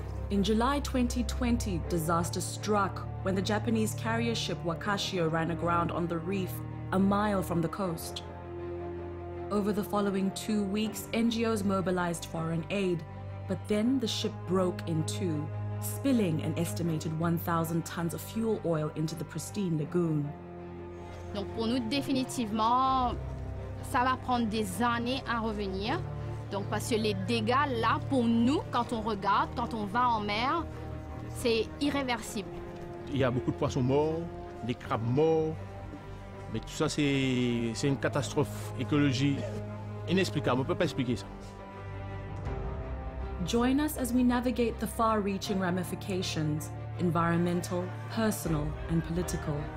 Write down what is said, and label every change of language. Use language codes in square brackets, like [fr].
[en] In July 2020, disaster struck when the Japanese carrier ship Wakashio ran aground on the reef a mile from the coast. Over the following 2 weeks, NGOs mobilized foreign aid, but then the ship broke in two, spilling an estimated 1,000 tons of fuel oil into the pristine lagoon. [fr] Donc pour nous définitivement, ça va prendre des années à revenir. Donc parce que les dégâts là pour nous, quand on regarde, quand on va en mer, c'est irréversible. Il y a beaucoup de poissons morts, des crabes morts, mais tout ça c'est une catastrophe écologique inexplicable. On peut pas expliquer ça. [en] Join us as we navigate the far-reaching ramifications, environmental, personal, and political.